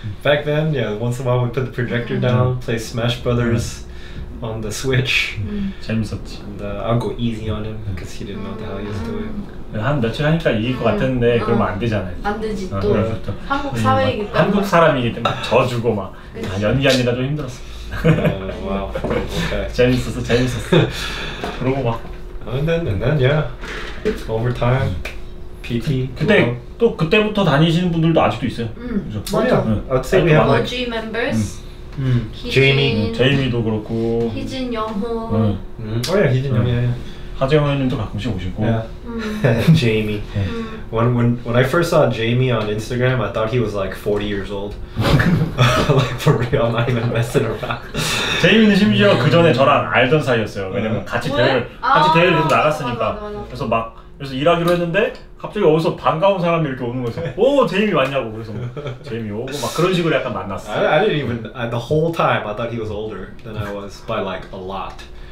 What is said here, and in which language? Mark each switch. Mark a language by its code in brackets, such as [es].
[en] Back then, yeah, once in a while we put the projector down, play Smash Brothers on the Switch. [ko] 재밌었지. [en] And I'll go easy on him because he didn't know what the hell he was doing. [ko] 한 며칠 하니까 이길 것 같은데 그러면 안 되잖아요. 안 되지 또. 한국 사회이기 때문에. 한국 사람이기 때문에 져주고 막 연기하느라 좀 힘들었어. 와, 오케이. 재밌었어, 재밌었어. 그러고 막. [en] And then, yeah, over time. PT. [ko] 그때 또 그때부터 다니시는 분들도 아직도 있어요. 맞아. [en] I'd say we have OG members. [ko] 제이미도 그렇고. 희진, 영호. 어, 예, 희진 형. 하재영 형님도 가끔씩 오시고. [en] Yeah. Jamie. When I first saw Jamie on Instagram, I thought he was like 40 years old. Like for real, I'm not even messing around. [ko] 제이미는 심지어 그 전에 저랑 알던 사이였어요. 왜냐면 같이 대회를 나갔으니까. 그래서 막 그래서 일하기로 했는데 갑자기 어디서 반가운 사람이 이렇게 오는 거예요. 오, 제이미 왔냐고. 그래서 제이미 오고 막 그런 식으로 약간 만났어. [en] I didn't even the whole time I thought he was older than I was by like a lot.